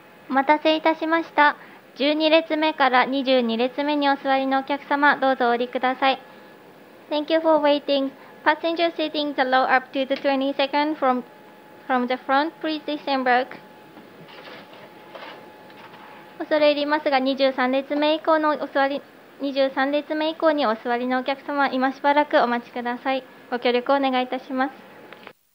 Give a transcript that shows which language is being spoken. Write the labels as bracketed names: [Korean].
[Japanese] お待たせいたしました。12列目から22列目にお座りのお客様、どうぞお降りください。 [English] Thank you for waiting. Passenger sitting the row up to the 22nd from the front, please disembark. [Japanese] 恐れ入りますが、23列目以降にお座りのお客様、今しばらくお待ちください。ご協力をお願いいたします。